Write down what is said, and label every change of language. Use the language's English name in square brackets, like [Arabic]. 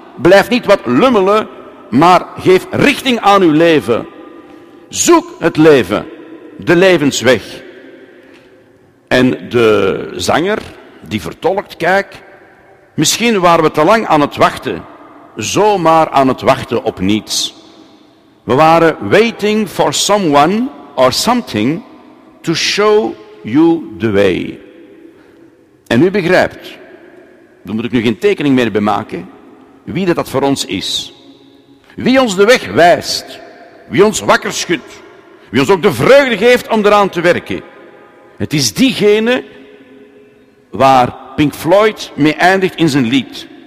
[Dutch] Blijf niet wat lummelen, maar geef richting aan uw leven. Zoek het leven, de levensweg. En de zanger, die vertolkt, kijk, misschien waren we te lang aan het wachten, zomaar aan het wachten op niets. We waren [English] waiting for someone or something to show you the way. [Dutch] En u begrijpt, daar moet ik nu geen tekening meer bij maken, wie dat voor ons is. Wie ons de weg wijst, wie ons wakker schudt, wie ons ook de vreugde geeft om eraan te werken. Het is diegene waar Pink Floyd mee eindigt in zijn lied.